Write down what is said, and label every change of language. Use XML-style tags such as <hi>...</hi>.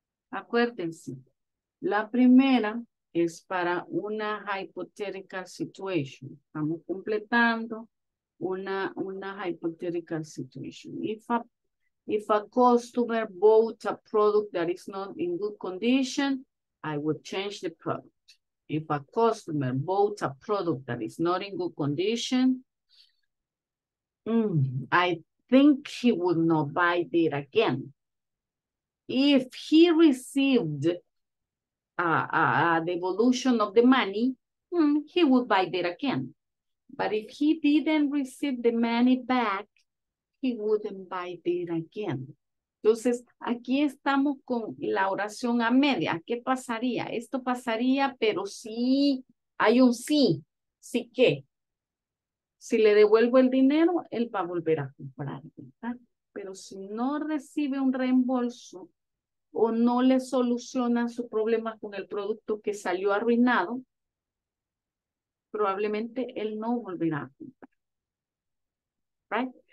<es>Acuérdense, la primera es para una</es> <en>hypothetical situation.</en> <es>Estamos completando una</es> <en>hypothetical situation. If a customer bought a product that is not in good condition, I would change the product. If a customer bought a product that is not in good condition, I think he would not buy it again. If he received a devolution of the money, he would buy it again. But if he didn't receive the money back, he wouldn't buy it again.</en> <es>Entonces, aquí estamos con la oración a media. ¿Qué pasaría? Esto pasaría, pero si hay un sí, ¿sí qué? Si le devuelvo el dinero, él va a volver a comprar, ¿verdad? Pero si no recibe un reembolso, o no le solucionan su problema con el producto que salió arruinado, probablemente él no volverá a comprar. Right?</es>